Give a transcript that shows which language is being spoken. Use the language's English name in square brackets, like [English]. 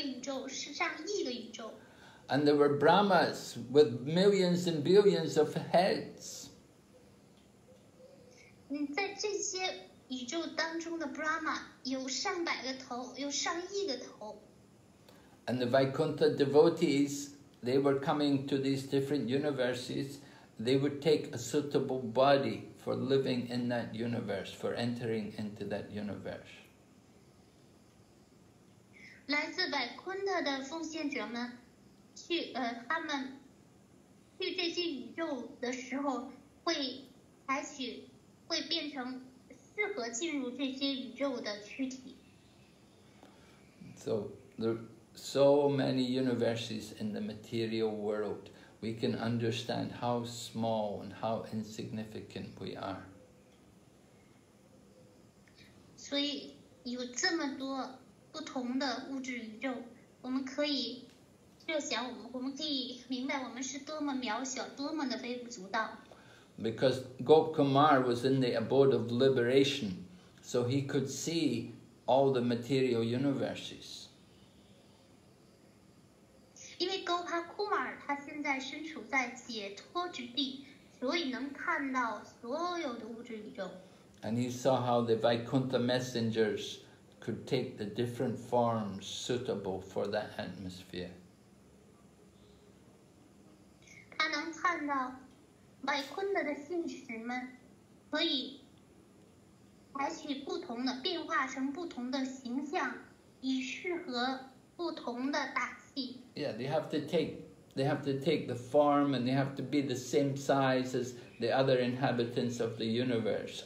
[Chinese] 宇宙有上百个宇宙，是上亿个宇宙。 [English] And there were Brahmas with millions and billions of heads. [Chinese] 在这些 宇宙当中的Brahma有上百个头，有上亿个头。 [English] And the Vaikuntha devotees, they were coming to these different universes, they would take a suitable body for living in that universe, for entering into that universe. [Chinese] 来自Vaikuntha的奉献者们，去他们去这些宇宙的时候，会采取，会变成。 [English] So there are so many universes in the material world. we can understand how small and how insignificant we are. [Chinese] 所以有这么多不同的物质宇宙，我们可以设想我们，我们可以明白我们是多么渺小，多么的微不足道。 [English] Because Gop Kumar was in the abode of liberation, so he could see all the material universes. [Chinese] 因为 Gop Kumar 他现在身处在解脱之地，所以能看到所有的物质宇宙。 [English] And he saw how the Vaikuntha messengers could take the different forms suitable for that atmosphere. [Chinese] 他能看到百昆特的信使们可以采取不同的变化成不同的形象，以适合不同的大戏。 [English] Yeah, they have to take the form, and they have to be the same size as the other inhabitants of the universe.